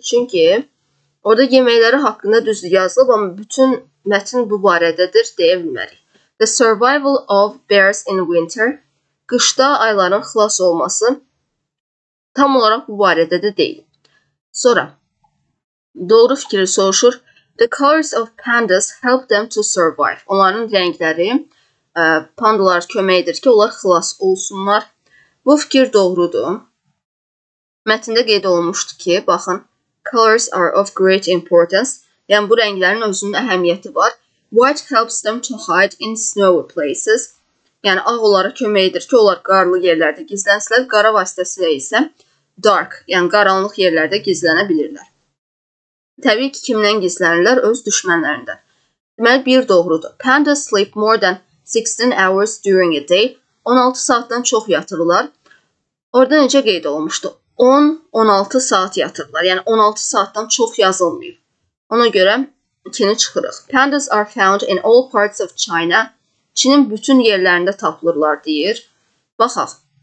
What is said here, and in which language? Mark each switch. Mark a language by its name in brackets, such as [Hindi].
[Azerbaijani] Çünki orada yeməkləri haqqında düzdür yazılıb, amma bütün mətin bu barədədir deyə bilmərik. [English] The survival of bears in winter, [Azerbaijani] qışda ayıların xilas olması tam olaraq bu barədədir deyil. Sonra, doğru fikri soruşur. [English] The colors of pandas help them to survive. [Azerbaijani] Onların rəngləri pandalar köməkdir ki, onlar xilas olsunlar. Bu fikir doğrudur. Mətində qeyd olunmuşdu ki, baxın, [English] colors are of great importance. [Azerbaijani] Yəni, bu rənglərin özünün əhəmiyyəti var. [English] White helps them to hide in snowy places. [Azerbaijani] Yəni, ağ onlara köməkdir ki, onlar qarlı yerlərdə gizlənsələr. Qara vasitəsilə isə dark, yəni qaranlıq yerlərdə gizlənə bilirlər. Təbii ki, kimdən gizlənirlər? Öz düşmənlərindən. Deməli, bir doğrudur. [English] Pandas sleep more than 16 hours during a day. [Azerbaijani] 16 saatdan çox yatırlar. Orada necə qeyd olmuşdu? 10-16 saat yatırlar. Yəni, 16 saatdan çox yazılmıyor. Ona görə ikini çıxırıq. [English] Pandas are found in all parts of China. [Azerbaijani] Çinin bütün yerlərində tapılırlar, deyir. Baxaq.